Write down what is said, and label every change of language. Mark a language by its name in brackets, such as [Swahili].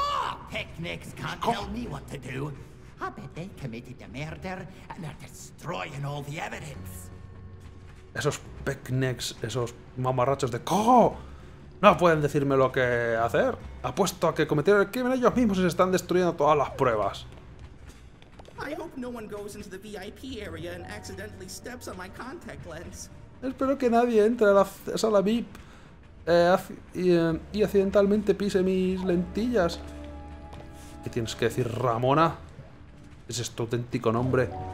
[English] I bet they committed a murder and they're destroying all the evidence. [Spanish] Esos picnics, esos mamarrachos de Caw, no pueden decirme lo que hacer. Apuesto a que cometieron el crimen ellos mismos y se están destruyendo todas las pruebas. [English] I hope no one goes into the VIP area and accidentally steps on my contact lens. [Spanish] Espero que nadie entre a la sala VIP y accidentalmente pise mis lentillas. ¿Qué tienes que decir, Ramona? ¿Es este auténtico nombre?